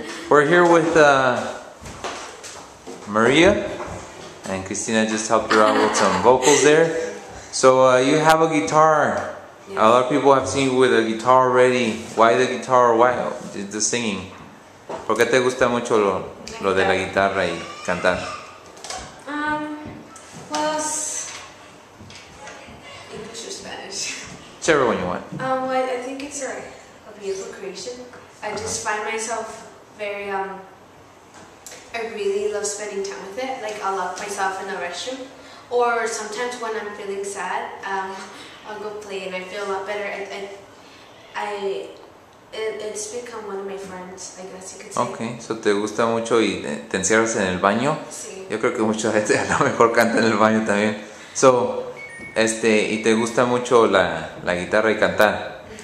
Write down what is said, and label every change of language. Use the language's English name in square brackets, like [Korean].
[English] We're here with Maria, and Christina just helped her out with some vocals there. So you have a guitar. Yeah. A lot of people have seen you with a guitar already. Why the guitar? Why the singing? [Spanish] ¿Por qué te gusta mucho lo de la guitarra y cantar? [English] Plus, English or Spanish? Whichever one you want. Well, I think it's a beautiful creation. I just find myself very, I really love spending time with it. Like, I'll lock myself in the restroom. Or sometimes when I'm feeling sad, I'll go play and I feel a lot better. It's become one of my friends, I guess you could say. [Spanish] Okay, so te gusta mucho y te encierras en el baño. Sí. Yo creo que mucha gente a lo mejor canta en el baño también. So, y te gusta mucho la guitarra y cantar.